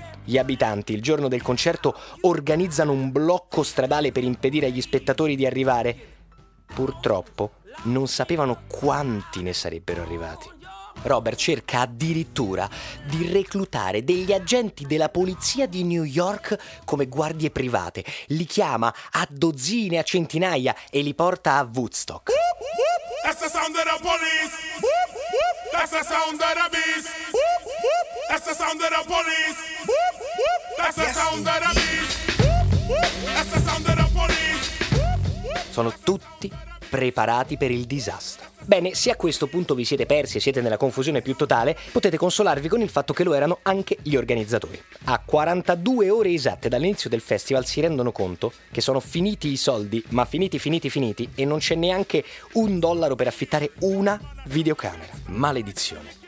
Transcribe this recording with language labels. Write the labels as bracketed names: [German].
[Italian] Gli abitanti, il giorno del concerto, organizzano un blocco stradale per impedire agli spettatori di arrivare. Purtroppo non sapevano quanti ne sarebbero arrivati. Robert cerca addirittura di reclutare degli agenti della polizia di New York come guardie private. Li chiama a dozzine, a centinaia e li porta a Woodstock. [English] That's the sound of the police. That's the sound of the beast. That's the sound of the police. That's the sound of the beast. That's the sound of the police. [Italian] Sono tutti preparati per il disastro. Bene, se a questo punto vi siete persi e siete nella confusione più totale, potete consolarvi con il fatto che lo erano anche gli organizzatori. A 42 ore esatte dall'inizio del festival si rendono conto che sono finiti i soldi, ma finiti, e non c'è neanche un dollaro per affittare una videocamera. Maledizione.